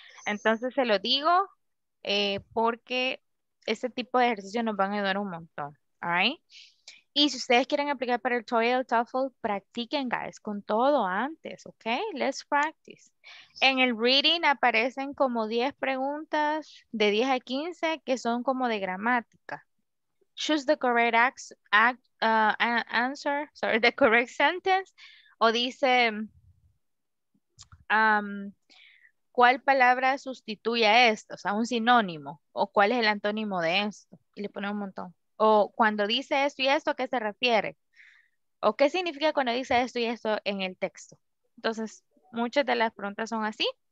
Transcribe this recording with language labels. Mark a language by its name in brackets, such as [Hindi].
[Spanish] Entonces, se lo digo porque este tipo de ejercicios nos van a ayudar un montón. [English] All right? [Spanish] Y si ustedes quieren aplicar para el TOEFL, TOEFL, practiquen, guys, con todo antes, ¿ok? [English] Let's practice. [Spanish] En el reading aparecen como 10 preguntas de 10 a 15 que son como de gramática. [English] Choose the correct answer, sorry, the correct sentence. [Spanish] O dice, ¿cuál palabra sustituye a esto? O sea, un sinónimo. O ¿cuál es el antónimo de esto? Y le pone un montón. O cuando dice esto y esto, ¿a qué se refiere? O ¿qué significa cuando dice esto y esto en el texto? Entonces, muchas de las preguntas son así.